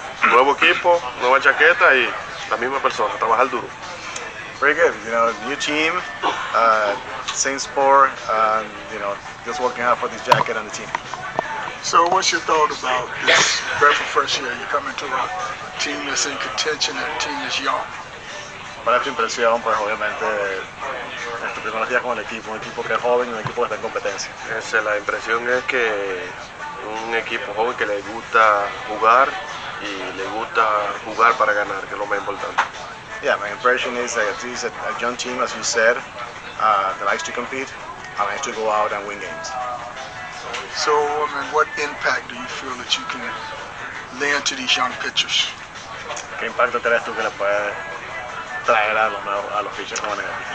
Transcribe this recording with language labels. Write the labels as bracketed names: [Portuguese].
[Spanish] Nuevo equipo, nueva chaqueta y la misma persona, trabajar duro. [English] Very good. You know, new team, same sport, you know, just working out for this jacket and the team. So what's your thought about this breath of fresh air? You're coming to a team that's in contention and a team that's young. [Spanish] Para esta impresión, pues obviamente, estos primeros días con el equipo, un equipo que es joven y un equipo que está en competencia. La impresión es que un equipo joven que le gusta jugar y le gusta jugar para ganar, que es lo más importante. [English] Yeah, my impression is that this is a young team, as you said, that likes to compete and likes to go out and win games. So, I mean, what impact do you feel that you can lend to these young pitchers? [Spanish] ¿Qué impacto crees tú que le puede traer a los pitchers jóvenes?